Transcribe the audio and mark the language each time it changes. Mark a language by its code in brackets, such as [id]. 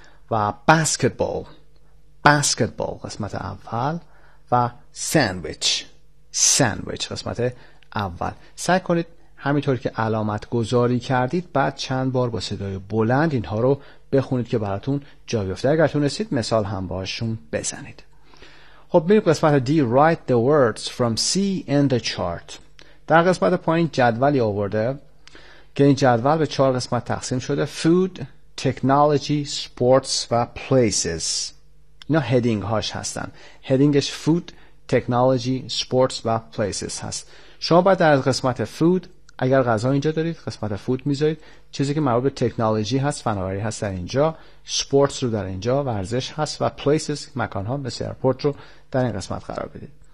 [fa] و بسکتبال، بسکتبال، قسمت اول. و ساندویچ، ساندویچ، قسمت اول. سعی کنید همینطور که علامت گذاری کردید بعد چند بار با صدای بلند اینها رو بخونید که براتون جا بیفته. اگر تونستید مثال هم باشون بزنید. خب میریم قسمت دی. [en] Write the words from C in the chart. [fa] در قسمت پایین جدولی آورده که این جدول به چهار قسمت تقسیم شده: [en] food, technology, sports [fa] و places. اینا هدینگ هاش هستن. هدینگش [en] food, technology, sports [fa] و places هست. شما باید در قسمت food، اگر غذا اینجا دارید قسمت food میذارید، چیزی که مربوط به تکنولوژی هست، فناوری هست در اینجا، sports رو در اینجا، ورزش هست، و places، مکان ها مثل ایرپورت رو در این قسمت قرار بدید.